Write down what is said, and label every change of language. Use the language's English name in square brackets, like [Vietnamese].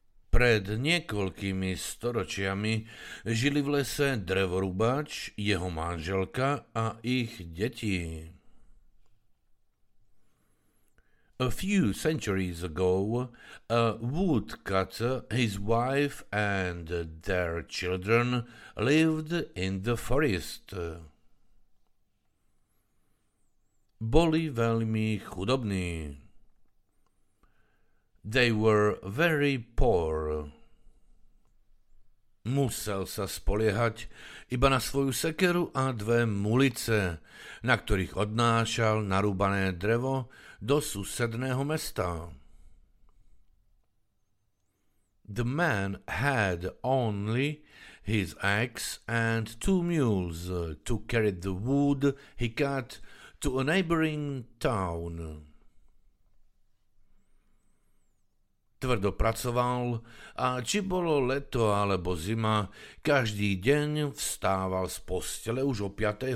[Slovak] Pred niekoľkými storočiami žili v lese drevorúbač, jeho manželka a ich deti. [English] A few centuries ago, a woodcutter, his wife and their children lived in the forest. [Slovak] Boli veľmi chudobní. [English] They were very poor. [Slovak] Musel sa spoliehať iba na svoju sekeru a dve mulice, na ktorých odnášal narúbané drevo do susedného mesta. [English] The man had only his axe and two mules to carry the wood he cut to a neighboring town. [Slovak] Tvrdo pracoval a či bolo leto alebo zima, každý deň vstával z postele už o 5.